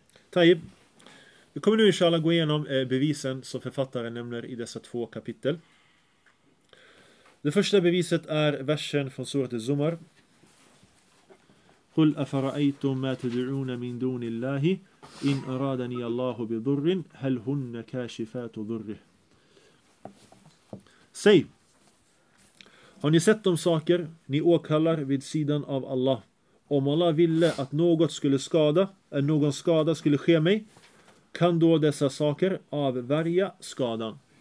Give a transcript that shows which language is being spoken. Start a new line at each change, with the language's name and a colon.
Swedish: Taib, vi kommer nu inshallah gå igenom bevisen som författaren nämner i dessa två kapitel. Det första beviset är versen från surat Zumar.
Arabic: قل أفرأيتم ما تدعون من دون الله إن أرادني الله بضر هل هن كاشفات ضره.
Swedish: Säg, har ni sett de saker ni åkallar vid sidan av Allah? Om Allah ville att något skulle skada, eller någon skada skulle ske mig, kan då dessa saker avvärja skadan?